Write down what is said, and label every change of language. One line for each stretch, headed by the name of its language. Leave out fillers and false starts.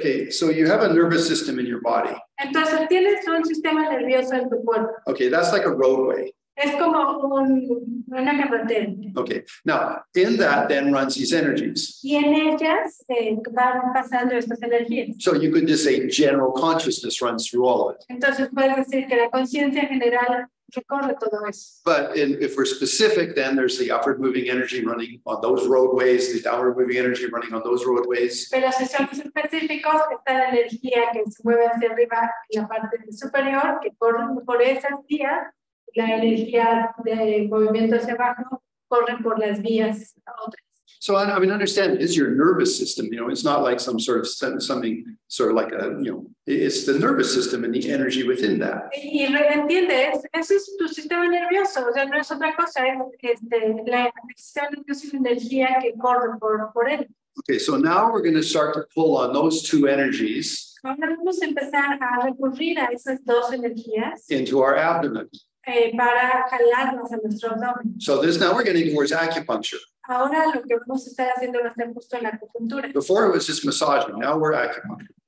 English: So you have a nervous system in your body.
Spanish: Entonces tienes un sistema nervioso en tu cuerpo.
English: Okay, that's like a roadway.
Spanish: Es como una carretera.
English: Okay, now in that then runs these energies.
Spanish: Y en ellas van pasando estas energías.
English: So you could just say general consciousness runs through all of it.
Spanish: Entonces puedes decir que la conciencia general recorre todo eso.
English: But if we're specific, then there's the upward moving energy running on those roadways, the downward moving energy running on those roadways.
Spanish: Pero si somos específicos, está la energía que se mueve hacia arriba en la parte superior, que corre por esas vías. La energía de movimiento hacia abajo corre por las vías otras.
English: So I mean, understand, it's your nervous system, you know, it's not like some sort of something sort of like a, you know, it's the nervous system and the energy within that.
Spanish: Y entiendes, eso es tu sistema nervioso, o sea, no es otra cosa, es la energía que corre por él.
English: Okay, so now we're going to start to pull on those two energies.
Spanish: Ahora vamos a empezar a recurrir a esas dos energías.
English: Into our abdomen.
Spanish: Para jalarnos a nuestro abdomen.
English: So this, now we're getting towards acupuncture.
Spanish: Ahora lo que vamos a estar haciendo va a ser justo en la acupuntura.
English: Before it was just massaging, now we're acupuncture.